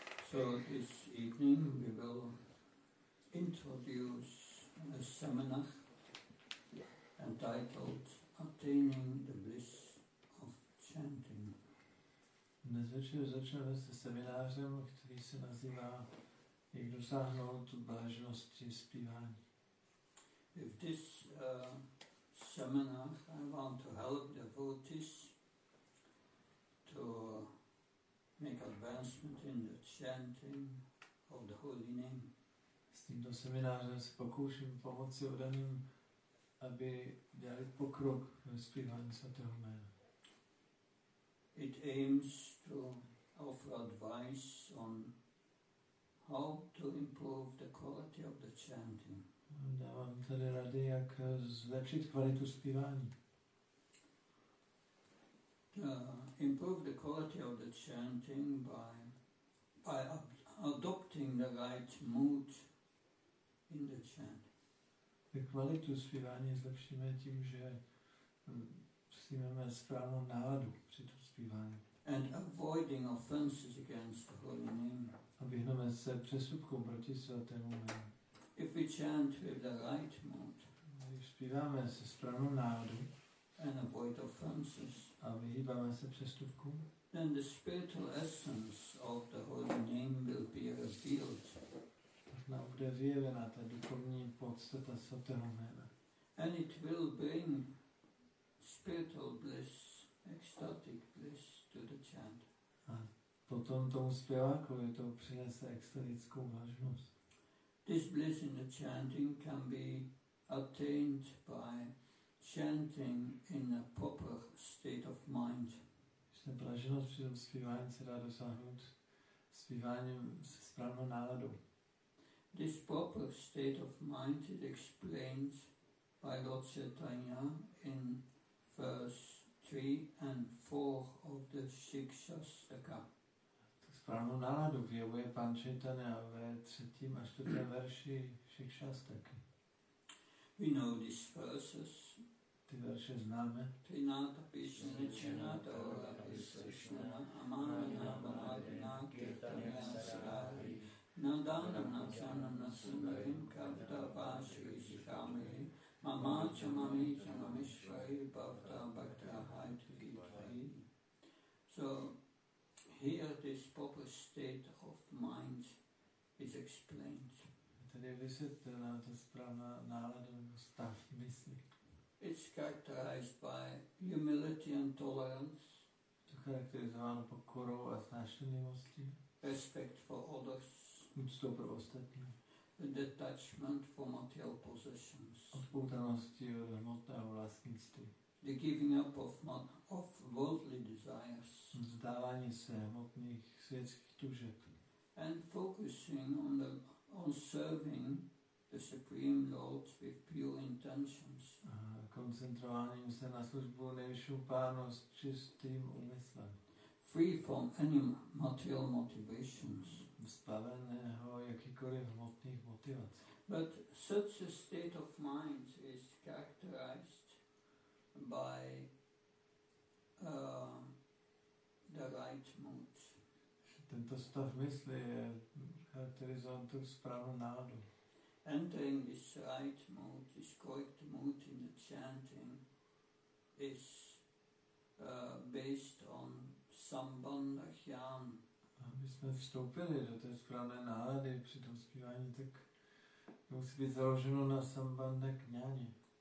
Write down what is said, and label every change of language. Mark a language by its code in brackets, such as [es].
[en] So this evening we will introduce a seminar entitled Attaining the Bliss of Chanting. [cs] Dnes večer začneme se seminářem, který se nazývá Jak dosáhnout blaženosti zpívání. [en] With this seminar, I want to help devotees to make advancement in the chanting of the holy name. [cs] S tímto seminářem se pokouším pomoci odaným, aby dělali pokrok ve zpívání svatého jména. [en] It aims to offer advice on how to improve the quality of the chanting. [cs] Dávám tady rady, jak zlepšit kvalitu zpívání. [en] Improve the quality of the chanting by adopting the right mood in the chanting. [cs] Kvalitu zpívání zlepšíme tím, že přijmeme správnou náladu při tom zpívání. [en] And avoiding offenses against the holy name. [cs] A vyhneme se přestupkům proti svatému jménu. [en] If we chant with the right mood. [cs] Když zpíváme se správnou náladu. [en] And avoid offenses. [cs] A vyhýbáme se přestupkům. [en] Then the spiritual essence of the holy name will be revealed. [cs] Tak nám bude vyjevena ta duchovní podstata svatého jména. [en] And it will bring spiritual bliss, ecstatic bliss to the chant. [cs] A potom tomu zpěvákovi to přinese extatickou vážnost. [en] This bliss in the chanting can be attained by chanting in a proper state of mind. [cs] Ta blaženost při tom zpívání se dá dosáhnout zpíváním se správnou náladou. [en] This proper state of mind is explained by Lord Chaitanya in verse 3 and 4 of the Shikshastaka. [cs] Správnou náladu vyjevuje pan Chaitanya ve třetím a čtvrtém verši Shikshastaky. [en] We know these verses. [cs] Ty verše známe. Trinata Pishnana Chinata Ola Pishnana Amana Bhadina Kirtanya Sarahi Nandana Nasana Nasundarim Kavta Vashri Shikamri Mama Chamami Chamamishvai Bhavta Bhakta Haitri Gitvai. [en] So here this proper state of mind is explained. [cs] Ta tedy vysvětlená ta správná nálada nebo stav mysli. [en] It's characterized by humility and tolerance. [cs] To charakterizováno pokorou a snášenlivostí. [en] Respect for others. [cs] Úcta pro ostatní. [en] Detachment from material possessions. [cs] Odpoutanosti od hmotného vlastnictví. [en] The giving up of worldly desires. [cs] Vzdávání se hmotných světských tužeb. [en] And focusing on serving the Supreme Lord with pure intentions. [cs] A koncentrováním se na službu nejvyššího pána s čistým úmyslem. [en] Free from any material motivations. [cs] Zbaveného jakýkoliv hmotných motivací. [en] But such a state of mind is characterized by the right mood. [cs] Tento stav mysli je charakterizován tu správnou náladu. [en] Entering this right mood, this correct mood in the chanting is based on sambandha jnan. [cs] A my jsme vstoupili do té správné nálady při tom zpívání, tak musí být založeno na sambandha jnaně.